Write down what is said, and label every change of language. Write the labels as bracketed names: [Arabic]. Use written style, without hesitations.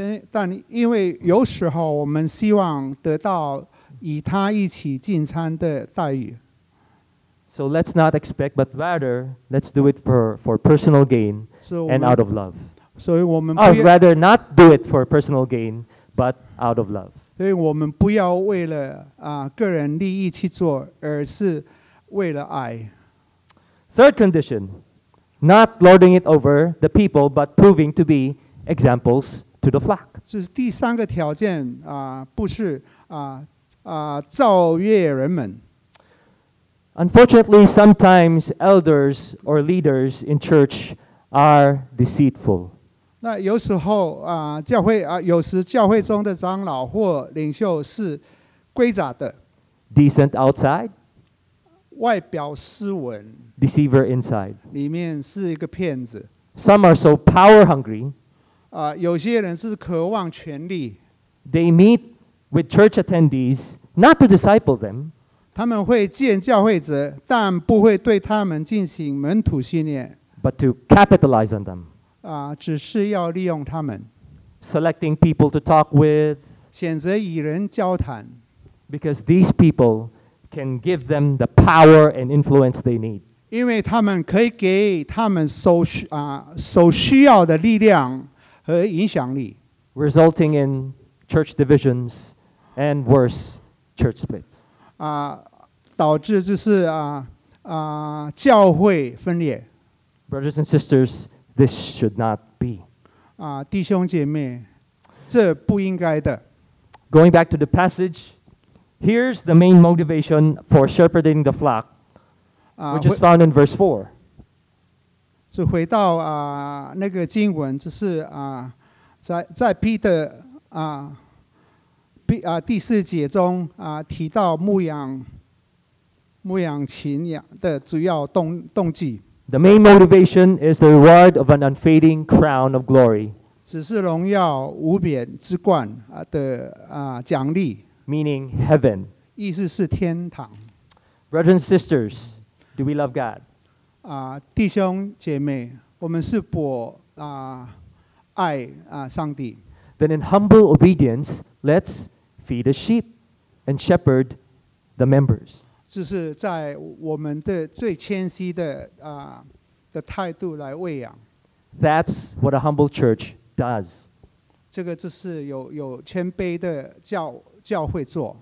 [Chinese] 但因为有时候我们希望得到与他一起进餐的待遇。 [English] So let's not expect, but rather let's do it for personal gain and out of love. [Chinese] 所以我们 [English] rather not do it for personal gain, but out of love. [Chinese] 所以我们不要为了个人利益去做，而是为了爱。 [English] Third condition, not lording it over the people, but proving to be examples to the flock. [Chinese] 这是第三个条件不是造业人们。 [English] Unfortunately, sometimes elders or leaders in church are deceitful. [Chinese] 那有时候教会有时教会中的长老或领袖是诡诈的。 [English] Decent outside. [Chinese] 外表斯文 [English] Deceiver inside. [Chinese] 里面是一个骗子。 [English] Some are so power hungry. [Chinese] 有些人是渴望权力。 [English] They meet with church attendees not to disciple them. [Chinese] 他们会见教会者，但不会对他们进行门徒训练。 [English] But to capitalize on them. [Chinese] 只是要利用他们。 [English] Selecting people to talk with. [Chinese] 选择与人交谈。 [English] Because these people. Can give them the power and influence they need. [Chinese] 因为他们可以给他们所需要的力量和影响力 [English] resulting in church divisions and worse church splits. [Chinese] 导致就是啊啊教会分裂。 [English] Brothers and sisters, this should not be. [Chinese] 啊，弟兄姐妹，这不应该的。 [English] Going back to the passage, here's the main motivation for shepherding the flock, which is found in verse 4. [Chinese] 就回到啊那个经文，就是啊在彼得啊。第四节中提到牧养群羊的主要动机。 [English] The main motivation is the reward of an unfading crown of glory. [Chinese] 只是荣耀无边之冠的奖励。 [English] Meaning heaven. [Chinese] 意思是天堂。 [English] Brothers and sisters, do we love God? [Chinese] 弟兄姐妹，我们是否爱上帝？ [English] Then in humble obedience, let's feed the sheep and shepherd the members. [Chinese] 这是在我们的最谦虚的的态度来喂养。 [English] That's what a humble church does. [Chinese] 这个就是有谦卑的教会做。